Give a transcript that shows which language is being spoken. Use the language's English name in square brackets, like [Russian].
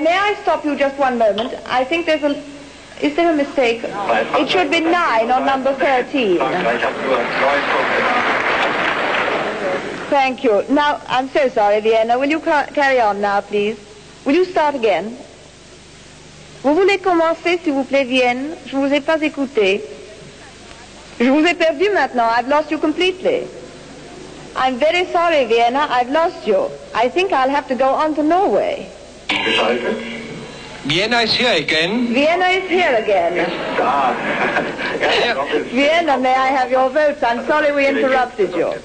[English] May I stop you just one moment? I think there's a... Is there a mistake? No, it should be nine on number 13. Thank you. Now, I'm so sorry, Vienna. Will you carry on now, please? Will you start again? [French] Vous voulez commencer, s'il vous plaît, Vienne? Je vous ai pas écouté. Je vous ai perdu maintenant. [English] I've lost you completely. I'm very sorry, Vienna. I've lost you. I think I'll have to go on to Norway. Vienna is here again. Vienna is here again. Vienna, may I have your votes? I'm sorry we interrupted you.